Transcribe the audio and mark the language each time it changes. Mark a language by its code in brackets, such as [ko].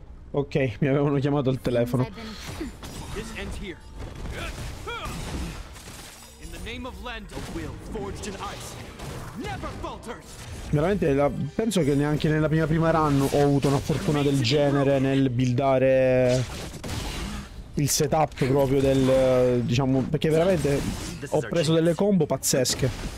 [it] Ok, mi avevano chiamato al telefono. [en] This ends here. In the name of Lando, will forged in ice. Never falters. [it] Veramente, penso che neanche nella prima run ho avuto una fortuna del genere nel buildare il setup proprio del, diciamo, perché veramente ho preso delle combo pazzesche.